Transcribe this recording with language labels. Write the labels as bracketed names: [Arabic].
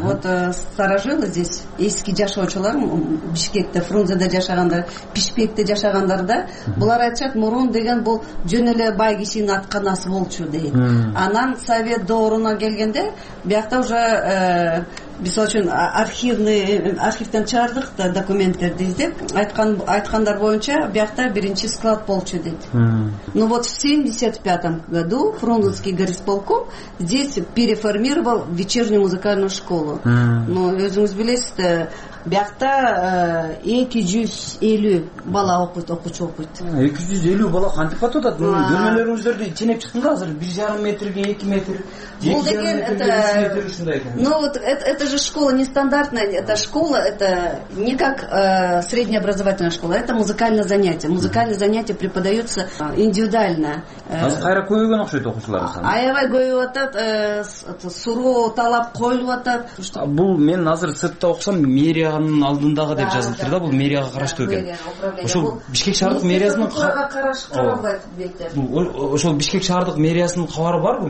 [Russian] Вот старожилы здесь, [Kyrgyz] эски жашоочулар Бишкекте, Фрунзеде жашагандар, Бишкекте жашагандар да, булар айтышат, мурун деген бул жөн эле бай кишинин атканасы болчу дейт. Анан совет доорунан келгенде биякта уже мисалы үчүн архивден чыгардык да документтерди издеп, айткандар боюнча биякта биринчи склад болчу дейт. [Russian] Ну вот в 1975 году Фрунзенский горисполком здесь переформировал вечернюю музыкальную школу. [Kyrgyz] Ну өзүңүз билесиз да, биякта 250 бала окуйт, окуучу окуйт. 250 бала кантип атат? Бөлмөлөрүңүздөрдү ченеп чыктың да азыр 1.5 метрге 2 метр. Бул деген [Russian] ну вот это же школа нестандартная, это школа, это не как среднеобразовательная школа, это музыкальное занятие. Музыкальное занятие преподается индивидуально. [Kyrgyz] Азыр кайра көйгөн окшойт окуучулар саны. Аябай көйүп атат, суроо талап коюлуп атат. Бул мен азыр сыртта окусам мэриянын алдындагы деп жазылыптыр да, бул мэрияга караштуу экен. Ошол Бишкек шаардык мэриясынын ошол Бишкек шаардык мэриясынын кабары барбы?